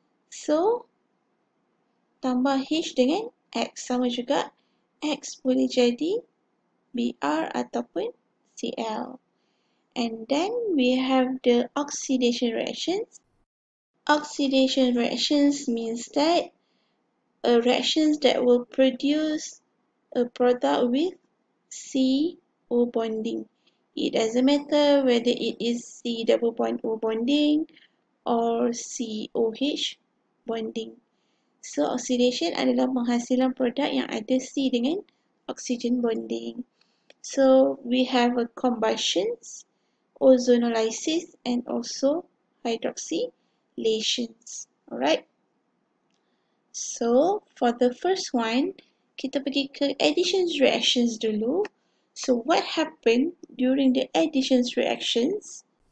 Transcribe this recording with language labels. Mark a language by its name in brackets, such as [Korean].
[Malay] So, tambah H dengan X sama juga. X boleh jadi Br ataupun Cl. [English] And then we have the oxidation reactions. Oxidation reactions means that a reaction that will produce a product with C-O bonding. It doesn't matter whether it is C double bond O bonding or COH bonding. [Malay] So oxidation adalah menghasilkan produk yang ada C dengan oxygen bonding. [English] So we have a combustion, ozonolysis, and also hydroxylation. Alright. So for the first one, [Malay] kita pergi ke [English] addition reactions dulu. So what happened during the addition reactions?